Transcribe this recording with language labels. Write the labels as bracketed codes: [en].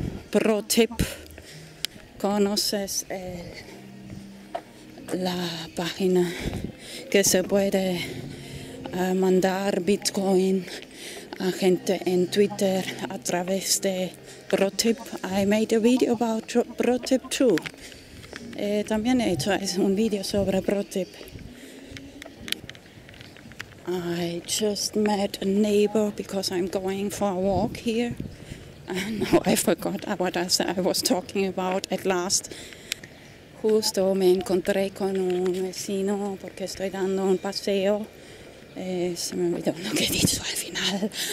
[es] Pro tip, ¿conoces la página que se puede mandar Bitcoin a gente en Twitter a través de Pro tip? [en] I made a video about Pro tip too. [es] También he hecho un video sobre ProTip. [en] I just met a neighbor because I'm going for a walk here. And now I forgot what I was talking about at last. [es] Justo me encontré con un vecino porque estoy dando un paseo. Se me olvidó lo que he dicho al final.